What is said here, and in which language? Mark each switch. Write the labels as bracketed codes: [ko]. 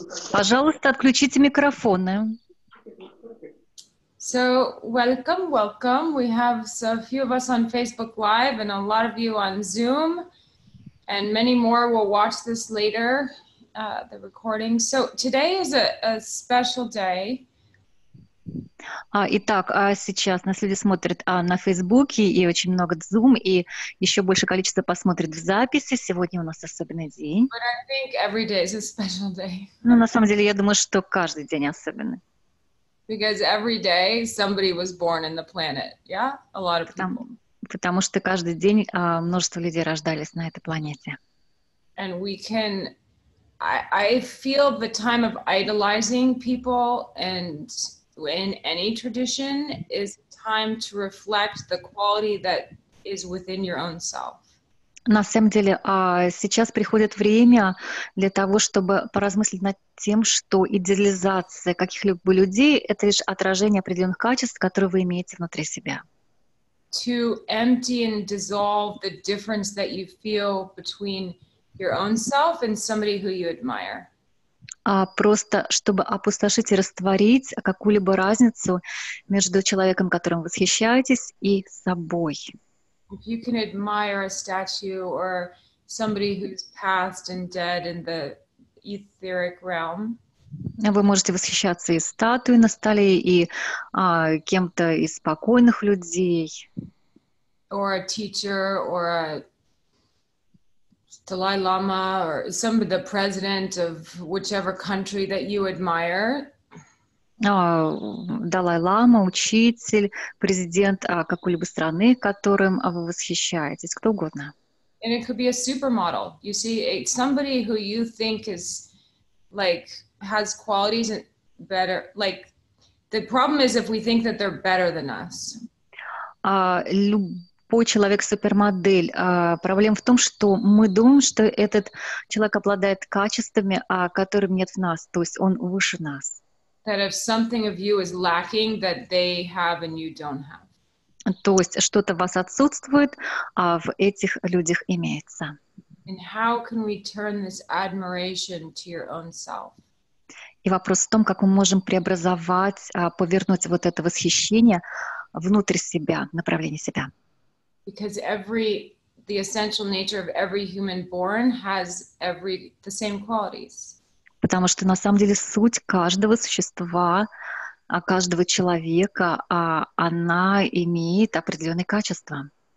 [ru] Пожалуйста, отключите микрофоны. [en] So, welcome, welcome. We have a few of us on Facebook Live and a lot of you on Zoom, and many more will watch this later, the recording. So, today is a special day. [ru] Итак, сейчас нас люди смотрят на Фейсбуке, и очень много Zoom, и еще большее количество посмотрит в записи. Сегодня у нас особенный день. [en] But I think every day is a special day. [ru] Ну, на самом деле, я думаю, что каждый день особенный. [en] Because every day somebody was born in the planet, yeah, a lot of people. [ru] Потому что каждый день множество людей рождались на этой планете. [en] And we can, I feel the time of idolizing people, and in any tradition is time to reflect the quality that is within your own self. [ru] На самом деле, сейчас приходит время для того, чтобы поразмыслить над тем, что идеализация каких-либо людей — это лишь отражение определенных качеств, которые вы имеете внутри себя. [en] To empty and dissolve the difference that you feel between your own self and somebody who you admire. [ru] Просто чтобы опустошить и растворить какую-либо разницу между человеком, которым вы восхищаетесь, и собой. [en] If you can admire a statue or somebody who's passed and dead in the etheric realm. [ru] Вы можете восхищаться и статуей на столе, и кем-то из покойных людей. [en] Or a teacher, or a Dalai Lama, or some of the president of whichever country that you admire. [ru] Далай-лама, учитель, президент какой-либо страны, которым вы восхищаетесь, кто угодно. [en] And it could be a supermodel. You see, it's somebody who you think is, like, has qualities better, like, the problem is if we think that they're better than us. [ru] Любой человек-супермодель. Проблема в том, что мы думаем, что этот человек обладает качествами, которых нет в нас, то есть он выше нас. [en] That if something of you is lacking, that they have and you don't have. [ru] То есть что-то в вас отсутствует, а в этих людях имеется. [en] And how can we turn this admiration to your own self? [ru] И вопрос в том, как мы можем преобразовать, повернуть вот это восхищение внутрь себя, направление себя. [en] Because the essential nature of every human born has the same qualities. [ru] Потому что на самом деле суть каждого существа, каждого человека, она имеет определенные качества.